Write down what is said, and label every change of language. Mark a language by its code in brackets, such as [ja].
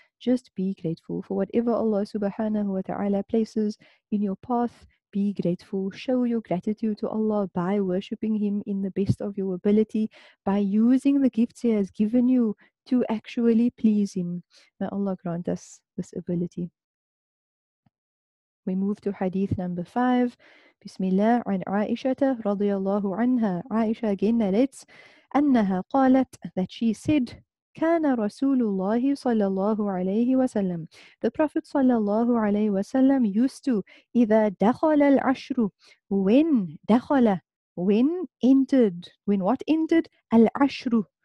[en] Just be grateful for whatever Allah subhanahu wa ta'ala places in your path. Be grateful. Show your gratitude to Allah by worshipping Him in the best of your ability, by using the gifts He has given you to actually please Him. May Allah grant us this ability. We move to hadith number 5. [ar] Bismillah, عن عائشة رضي الله عنها. عائشة [en] again narrates, [ar] أنها قالت, [en] that she said, [ar] كان رسول الله صلى الله عليه وسلم, [en] the Prophet [ar] صلى الله عليه وسلم [en] used to, [ar] إذا دخل العشر, when دخل, [en] when entered, when what entered, [ar] العشر,